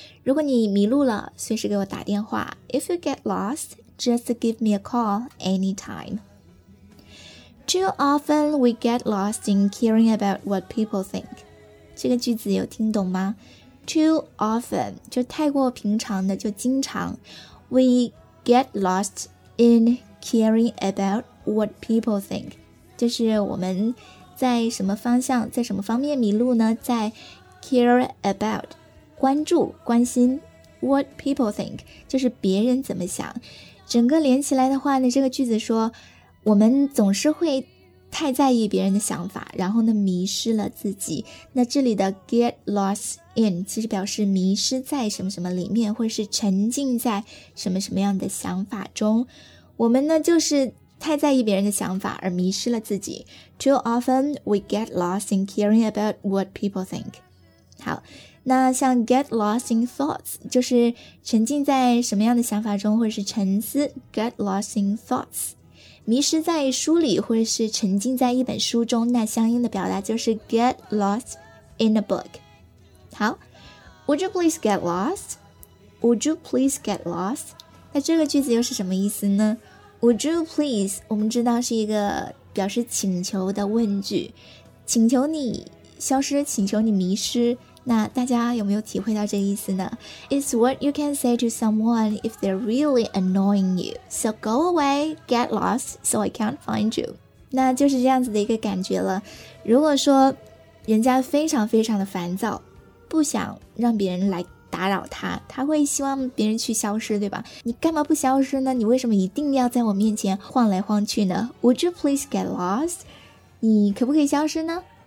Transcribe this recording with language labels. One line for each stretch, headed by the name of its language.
Chinese: 如果你迷路了，随时给我打电话。
English: If you get lost, just give me a call anytime。 Too often we get lost in caring about what people think。
Chinese: 这个句子有听懂吗？Too often, 就太过平常的，就经常。
English: We get lost in caring about what people think。
Chinese: 就是我们在什么方向，在什么方面迷路呢？在 care about 关注关心 what people think 就是别人怎么想。整个连起来的话呢，这个句子说我们总是会太在意别人的想法，然后呢迷失了自己。那这里的 get lost in 其实表示迷失在什么什么里面，或者是沉浸在什么什么样的想法中。我们呢就是太在意别人的想法而迷失了自己。
English: Too often we get lost in caring about what people think。
Chinese: 好，那像
English: get lost in thoughts
Chinese: 就是沉浸在什么样的想法中，或者是沉思， get lost in thoughts， 迷失在书里，或者是沉浸在一本书中，那相应的表达就是
English: get lost in a book。好， Would you please get lost? Would you please get lost?
Chinese: 那这个句子又是什么意思呢？Would you please， 我们知道是一个表示请求的问句，请求你消失，请求你迷失。那大家有没有体会到这个意思呢？
English: It's what you can say to someone if they're really annoying you. So go away, get lost, so I can't find you.
Chinese: 那就是这样子的一个感觉了。如果说人家非常非常的烦躁，不想让别人来打扰他，他会希望别人去消失，对吧？你干嘛不消失呢？你为什么一定要在我面前晃来晃去呢？
English: Would you please get lost?
Chinese: 你可不可以消失呢？